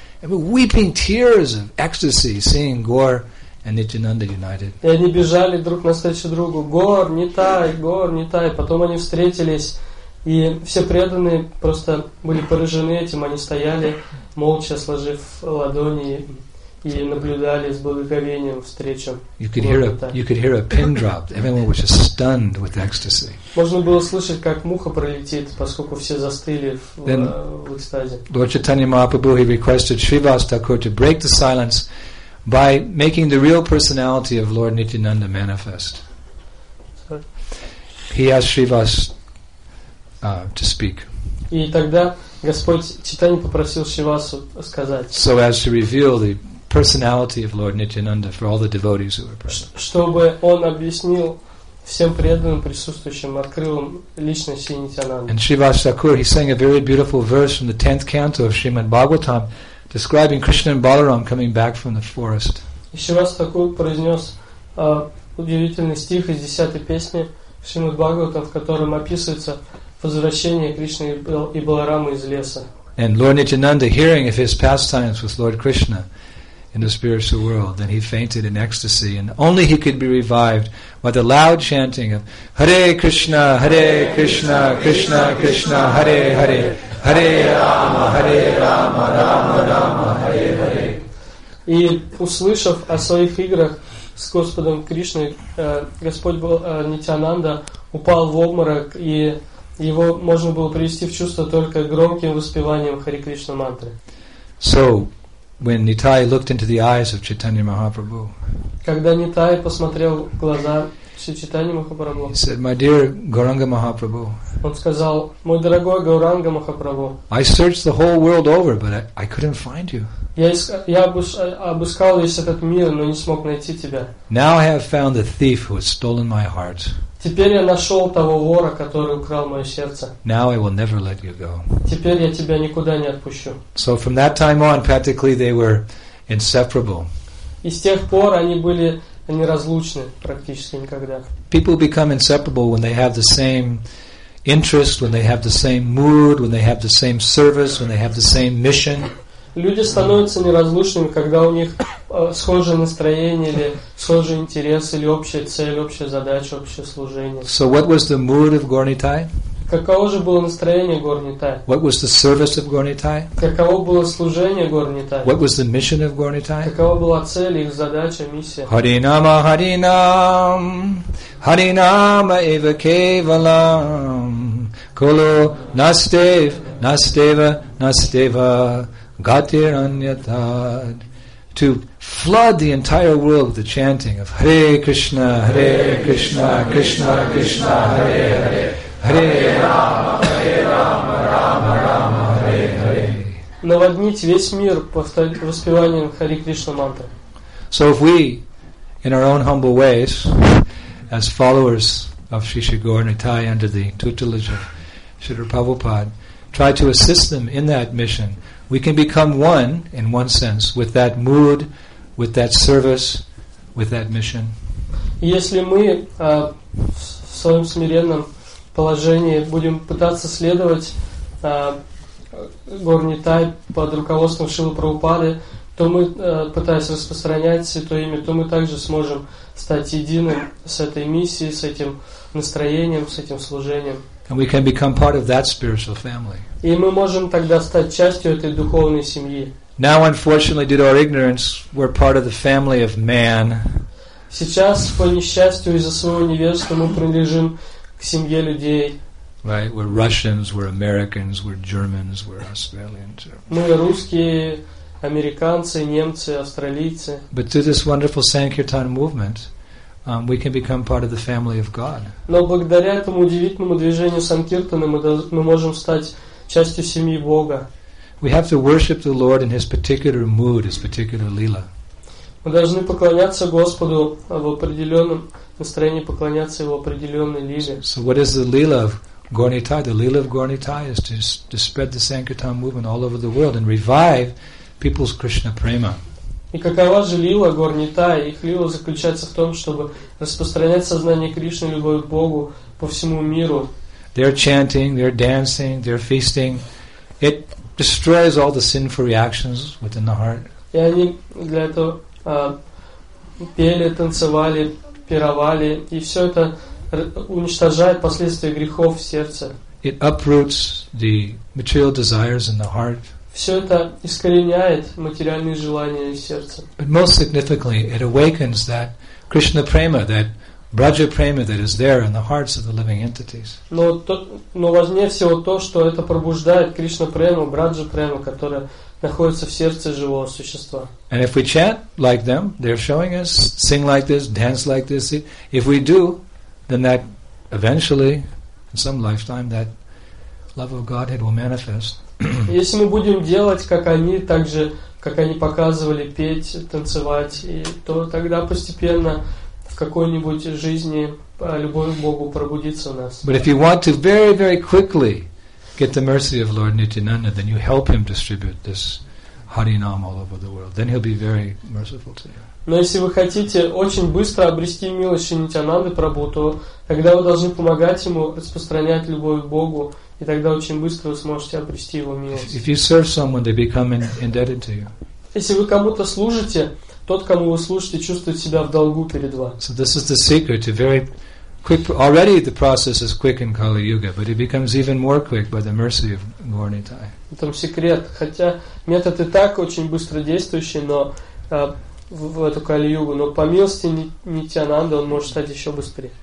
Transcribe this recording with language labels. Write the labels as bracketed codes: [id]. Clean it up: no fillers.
[en] And we're weeping tears of ecstasy seeing Gor and Nityananda united. [ru] И они бежали друг навстречу другу. Гор, Нитай, Гор, Нитай. Потом они встретились, и все преданные просто были поражены этим. Они стояли, молча сложив ладони, и наблюдали с благоговением встречу. [en] You could hear a pin drop. Everyone was just stunned with ecstasy. [ru] Можно было слышать, как муха пролетит, поскольку все застыли в экстазе. [en] Lord Chaitanya Mahaprabhu, he requested Srivas Thakur to break the silence by making the real personality of Lord Nityananda manifest. He asked Srivas to speak. [ru] И тогда Господь Читани попросил Шривасу сказать. [en] So as to reveal the personality of Lord Nityananda for all the devotees who were present. [ru] Чтобы он объяснил всем преданным присутствующим, открыл им личность Нитянанды. [en] And Srivas Thakur, he sang a very beautiful verse from the 10th canto of Srimad Bhagavatam, describing Krishna and Balaram coming back from the forest. [ru] И Шривас Такур произнес удивительный стих из 10-й песни Шримад Бхагаватам, в котором описывается возвращение Кришны и Баларамы из леса. [en] And Lord Nityananda, hearing of his pastimes with Lord Krishna in the spiritual world, then he fainted in ecstasy, and only he could be revived by the loud chanting of Hare Krishna, Hare Krishna, Krishna Krishna, Hare Hare, Hare Rama, Hare Rama, Rama Rama, Hare Hare. [ru] И услышав о своих играх с Господом Кришной, Господь Нитянанда упал в обморок, и его можно было привести в чувство только громким воспеванием Хари Кришна мантры. [en] So when Nitai looked into the eyes of Chaitanya Mahaprabhu, [ru] когда Нитай посмотрел в глаза Шри Чайтанья Махапрабху, [en] he said, "My dear Gauranga Mahaprabhu," [ru] он сказал, мой дорогой Гауранга Махапрабху, [en] "I searched the whole world over, but I couldn't find you." [ru] Я обыскал весь этот мир, но не смог найти тебя. [en] Now I have found the thief who has stolen my heart. [ru] Теперь я нашел того вора, который украл мое сердце. [en] Now I will never let you go. [ru] Теперь я тебя никуда не отпущу. [en] So from that time on, practically they were inseparable. [ru] И с тех пор они были неразлучны практически никогда. [en] People become inseparable when they have the same interest, when they have the same mood, when they have the same service, when they have the same mission. [ru] Люди становятся неразлучными, когда у них схожее настроение или схожий интерес или общая цель, общая задача, общее служение. [en] So what was the mood of Gor Nitai? [ru] Каково же было настроение Гор Нитай? [en] What was the service of Gor Nitai? [ru] Каково было служение Гор Нитай? [en] What was the mission of Gor Nitai? [ru] Какова была цель, их задача, миссия? [sa] Харинама Харинам Харинама Эва Кевалам Коло Настев Настева Настева Gatir Anyatad. [en] To flood the entire world with the chanting of Hare Krishna, Hare Krishna, Krishna Krishna, Hare Hare, Hare Rama, Hare Rama, Rama Rama, Hare Hare. [ru] Наводнить весь мир воспеванием Хари Кришна мантры. [en] So if we, in our own humble ways, as followers of Sri Sri Gaura Nitai under the tutelage of Srila Prabhupada, try to assist them in that mission, we can become one, in one sense, with that mood, with that service, with that mission. [ru] Если мы в своем смиренном положении будем пытаться следовать Гор Нитай под руководством Шрилы Прабхупады, то мы, пытаясь распространять Святое Имя, то мы также сможем стать единым с этой миссией, с этим настроением, с этим служением. [en] And we can become part of that spiritual family. [ru] И мы можем тогда стать частью этой духовной семьи. [en] Now, unfortunately, due to our ignorance, we're part of the family of man. [ru] Сейчас, по несчастью, из-за своего невежества, мы принадлежим к семье людей. [en] Right? We're Russians, we're Americans, we're Germans, we're Australians. [ru] Мы русские, американцы, немцы, австралийцы. [en] But through this wonderful Sankirtan movement, we can become part of the family of God. [ru] Но благодаря этому удивительному движению Санкиртаны мы можем стать частью семьи Бога. [en] We have to worship the Lord in His particular mood, His particular lila. [ru] Мы должны поклоняться Господу в определенном настроении, поклоняться Его определенной лиле. [en] So what is the lila of Gornitai? The lila of Gornitai is to spread the Sankirtan movement all over the world and revive people's Krishna prema. [ru] И какова же лила Горнитай? Их лила заключается в том, чтобы распространять сознание Кришны, любовь к Богу по всему миру. [en] They're chanting, they're dancing, they're feasting. It destroys all the sinful reactions within the heart. [ru] И они для этого пели, танцевали, пировали, и все это уничтожает последствия грехов в сердце. [en] It uproots the material desires in the heart. [ru] Все это искореняет материальные желания из сердца. [en] But most significantly, it awakens that Krishna prema, that Braja prema that is there in the hearts of the living entities. [ru] Но важнее всего то, что это пробуждает Кришна прему, Браджа прему, которая находится в сердце живого существа. [en] And if we chant like them, they're showing us, sing like this, dance like this. If we do, then that eventually, in some lifetime, that love of Godhead will manifest. [ru] Если мы будем делать, как они, так же, как они показывали, петь, танцевать, и, то тогда постепенно в какой-нибудь жизни любовь к Богу пробудится у нас. [en] But if you want to very, very quickly get the mercy of Lord Nityananda, then you help him distribute this Harinam all over the world. Then he'll be very merciful to you. [ru] Но если вы хотите очень быстро обрести милость Шри Нитянанды Прабху, то тогда вы должны помогать ему распространять любовь к Богу, и тогда очень быстро вы сможете обрести его милость. [en] If you serve someone, they become indebted to you. [ru] Если вы кому-то служите, тот, кому вы служите, чувствует себя в долгу перед вами. [en] So this is the secret to very quick. Already the process is quick in Kali Yuga, but it becomes even more quick by the mercy of Gornitai. [ru] В этом секрет. Хотя метод и так очень быстро действующий, но в эту Кали-Югу, но по милости Нитянанды он может стать еще быстрее.